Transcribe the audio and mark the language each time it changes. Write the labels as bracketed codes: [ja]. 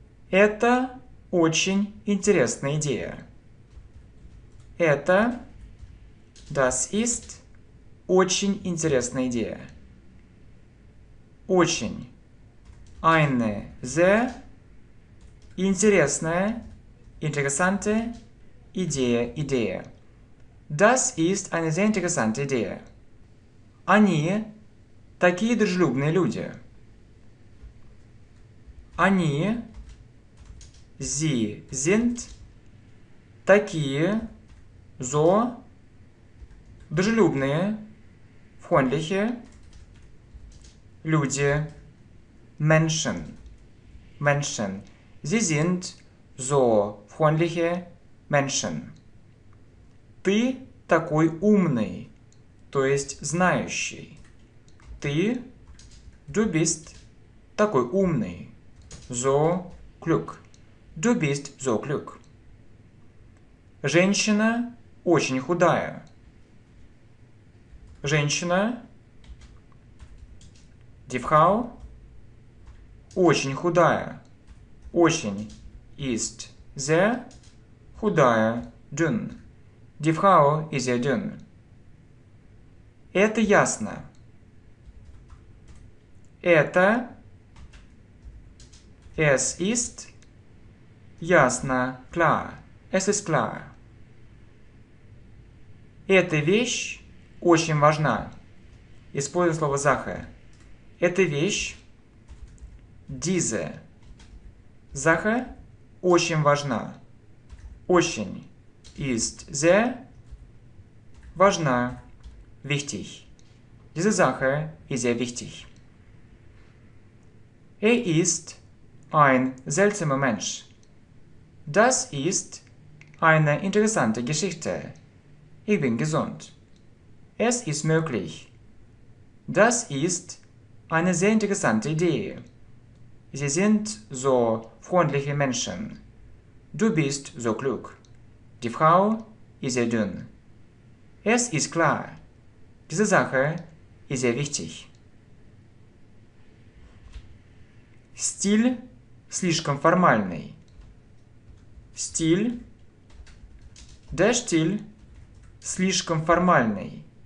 [ru] Это очень интересная идея. Это, [de] das ist, [ru] очень интересная идея. Очень. [de] Eine sehr [ru] интересная, [de] interessante [ru] идея, идея. [de] Das ist eine sehr interessante идея. [ru] Они такие дружелюбные люди. Они, [de] sie sind, [ru] такие, [de] so, [ru] дружелюбные, [de] freundliche, [ru] люди, [de] Menschen, Menschen. Sie sind so freundliche Menschen. [ru] Ты такой умный, то есть знающий. Ты, [de] du bist [ru] такой умный. [de] So klug. Du bist so klug. [ru] Женщина очень худая. Женщина. [de] Die Frau. [ru] Очень худая. Очень. [de] Ist sehr [ru] худая. [de] Dünn. Die Frau is sehr dünn. [ru] Это ясно. Это. [de] Es ist [ru] ясно, [de] klar. Es ist klar. [ru] Эта вещь очень важна. Используя слово Sache. Эта вещь diese. [de] Sache [ru] очень важна. Очень. [de] Ist sehr [ru] важна. [de] Wichtig. Diese Sache ist sehr wichtig. Ist ein seltsamer Mensch. Das ist eine interessante Geschichte. Ich bin gesund. Es ist möglich. Das ist eine sehr interessante Idee. Sie sind so freundliche Menschen. Du bist so klug. Die Frau ist sehr dünn. Es ist klar. Diese Sache ist sehr wichtig. [ru] Stil слишком формальный. Стиль. [de] Der [ru] Stil слишком формальный.